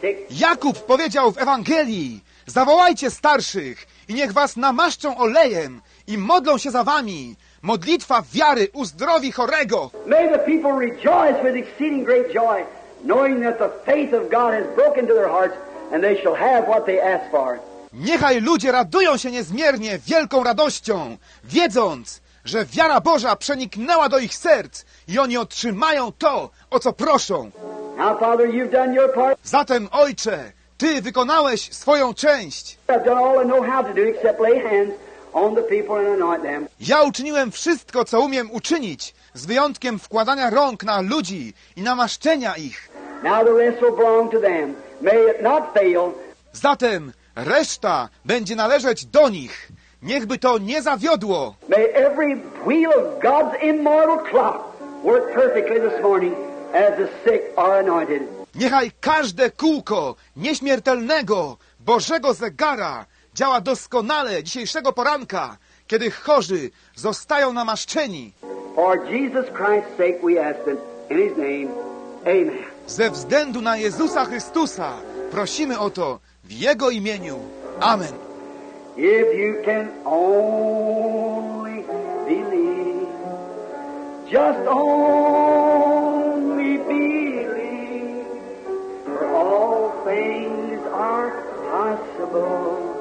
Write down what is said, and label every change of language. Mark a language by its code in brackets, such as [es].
[pl] Jakub powiedział w Ewangelii: zawołajcie starszych i niech was namaszczą olejem i modlą się za wami. Modlitwa wiary uzdrowi chorego. [en] May the people rejoice with exceeding great joy, knowing that the faith of God has broken to their hearts and they shall have what they ask for. [pl] Niechaj ludzie radują się niezmiernie wielką radością, wiedząc, że wiara Boża przeniknęła do ich serc i oni otrzymają to, o co proszą. [en] Now, Father, you've done your part. [pl] Zatem, Ojcze, Ty wykonałeś swoją część. [en] I've done all I know how to do except lay hands on the people and anoint them. [pl] Ja uczyniłem wszystko, co umiem uczynić, z wyjątkiem wkładania rąk na ludzi i namaszczenia ich. [en] Now the rest will belong to them. May it not fail. [pl] Zatem reszta będzie należeć do nich. Niechby to nie zawiodło. [en] May every wheel of God's immortal clock work perfectly this morning as the sick are anointed. [pl] Niechaj każde kółko nieśmiertelnego Bożego zegara działa doskonale dzisiejszego poranka, kiedy chorzy zostają namaszczeni. [en] For Jesus Christ's sake we ask them in his name. Amen. [pl] Ze względu na Jezusa Chrystusa prosimy o to w Jego imieniu. Amen. [en] If you can only believe, just only believe, for all things are possible.